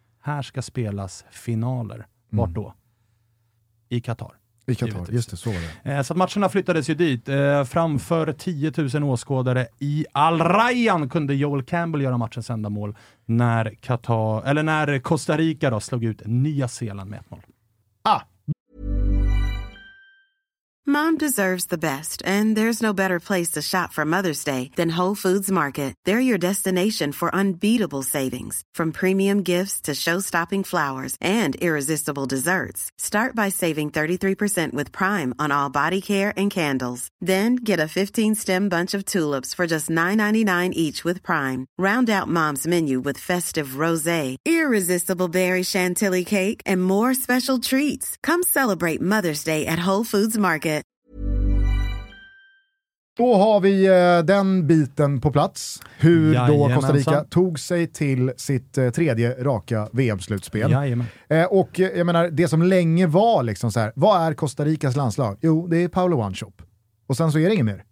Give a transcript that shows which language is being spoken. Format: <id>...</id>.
<sv>Här ska spelas finaler. Vart då? I Qatar, just det. Så var det. Så att matcherna flyttades ju dit. Framför 10 000 åskådare i Al Rayyan kunde Joel Campbell göra matchens enda mål när Costa Rica då slog ut Nya Zeeland med 1-0. Ah!</sv> <en>Mom deserves the best, and there's no better place to shop for Mother's Day than Whole Foods Market. They're your destination for unbeatable savings, from premium gifts to show-stopping flowers and irresistible desserts. Start by saving 33% with Prime on all body care and candles. Then get a 15-stem bunch of tulips for just $9.99 each with Prime. Round out Mom's menu with festive rosé, irresistible berry chantilly cake, and more special treats. Come celebrate Mother's Day at Whole Foods Market.</en> <sv>Då har vi den biten på plats, hur då Costa Rica tog sig till sitt tredje raka VM-slutspel. Och jag menar, det som länge var liksom så här, vad är Costa Ricas landslag? Jo, det är Paolo Wanchope. Och sen så är det ingen mer.</sv>